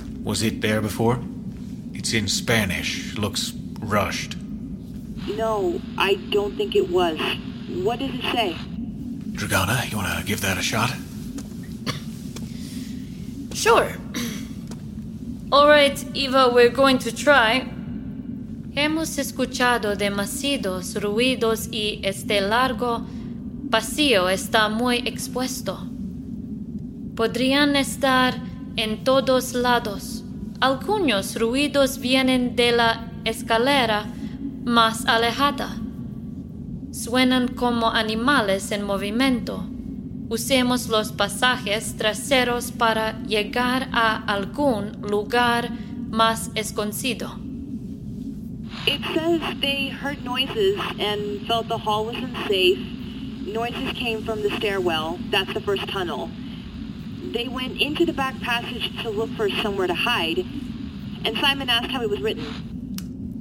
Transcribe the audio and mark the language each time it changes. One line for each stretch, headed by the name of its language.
English: Was it there before? It's in Spanish. Looks rushed. No, I don't think it was. What does it say? Dragana, you want to give that a shot? Sure. All right, Eva, we're going to try.
Spanish: Hemos escuchado demasiados ruidos y este largo pasillo está muy expuesto. Podrían estar en todos lados. Algunos ruidos vienen de la escalera más alejada. Suenan como animales en movimiento. Usemos los pasajes traseros para llegar a algún lugar más escondido.
English: It says they heard noises and felt the hall was unsafe. Noises came from the stairwell. That's the first tunnel. They went into the back passage to look for somewhere to hide. And Simon asked how it was written.